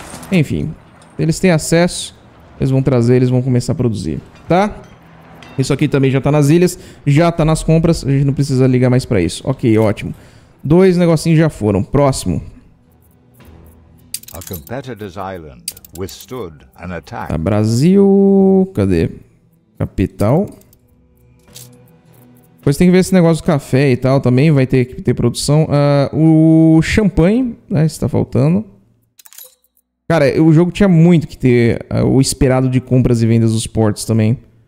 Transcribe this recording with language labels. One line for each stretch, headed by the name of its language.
Portuguese: Enfim. Eles têm acesso. Eles vão trazer. Eles vão começar a produzir. Tá? Isso aqui também já tá nas ilhas. Já tá nas compras. A gente não precisa ligar mais pra isso. Ok, ótimo. Dois negocinhos já foram. Próximo.
English: A competitor's island withstood an attack.
Portuguese: A Brasil, cadê? Capital. Depois tem que ver esse negócio do café e tal também. Vai ter que ter produção. O champanhe, né? Está faltando. Cara, o jogo tinha muito que ter o esperado de compras e vendas dos portos também.